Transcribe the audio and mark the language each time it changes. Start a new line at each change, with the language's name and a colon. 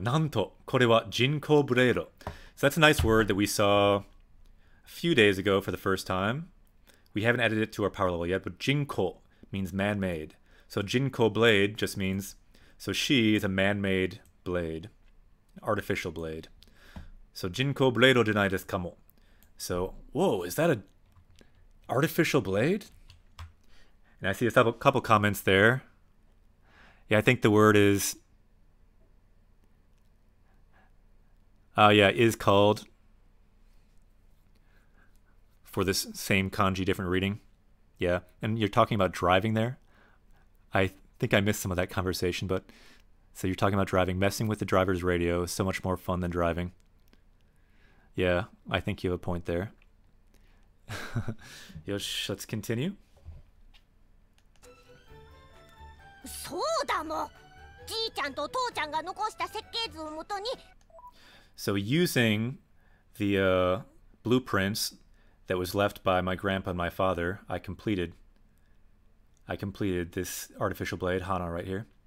Japanese: なんと、これは人工ブレード。
English: So that's a nice word that we saw a few days ago for the first time. We haven't added it to our power level yet, but 人工 means man-made. So 人工 blade just means, so she is a man-made blade, artificial blade.
Japanese: So 人工ブレードじゃないですかも。
English: So, whoa, is that an artificial blade? And I see a couple comments there. Yeah, I think the word is... yeah, is called for this same kanji, different reading. Yeah, and you're talking about driving there. I think I missed some of that conversation, but so you're talking about driving. Messing with the driver's radio is so much more fun than driving. Yeah, I think you have a point there. Yosh, let's continue.
Japanese: そうだも。じいちゃんと父ちゃんが残した設計図をもとに。
English: So using the blueprints that was left by my grandpa and my father, I completed this artificial blade, Hana, right here.